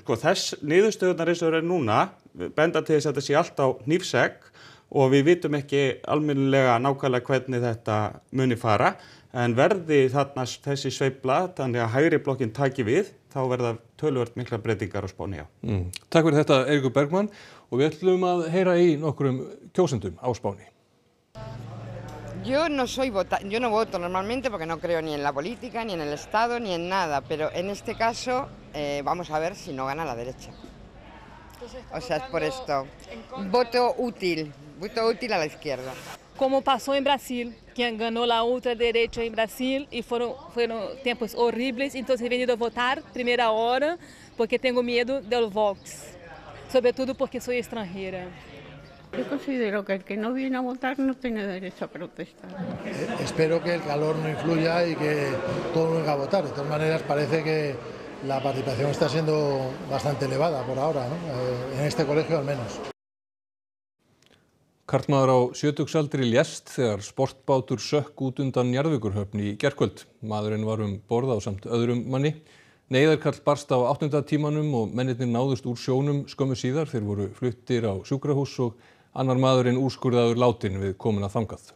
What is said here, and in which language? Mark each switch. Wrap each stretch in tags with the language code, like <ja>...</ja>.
<is>Sko, þess niðurstöðunar eins og er núna, benda til þess að þetta sé allt á hnífsegg og við vitum ekki almennilega nákvæmlega hvernig þetta muni fara, en verði þarna þessi sveifla, þannig að hægri blokkin taki við, þá verða töluvert miklar breytingar á Spáni, já. Takk fyrir þetta, Eiríkur Bergmann, og við ætlum að heyra í nokkrum kjósendum á Spáni.</is> <es>Yo no soy vota, yo no voto normalmente porque no creo ni en la política, ni en el Estado, ni en nada, pero en este caso vamos a ver si no gana la derecha. O sea, es por esto. Voto útil a la izquierda. Como pasó en Brasil, quien ganó la ultraderecha en Brasil y fueron tiempos horribles, entonces he venido a votar primera hora porque tengo miedo del Vox, sobre todo porque soy extranjera. Yo considero que el que no viene a votar no tiene derecho a protestar. Espero que el calor no influya y que todo no venga a votar. De todas maneras, parece que la participación está siendo bastante elevada por ahora, ¿no? En este colegio al menos.</es> <is>Karlmaður á 70-aldri lést þegar sportbátur sökk út undan Njarðvíkurhöfn í gærkvöld. Maðurinn var um borð ásamt öðrum manni. Neyðarkall barst á 8. tímanum og mennirnir náðust úr sjónum skömmu síðar. Þeir voru fluttir á sjúkrahús og annar maðurinn úrskurðaður látinn við komuna þangað.</is>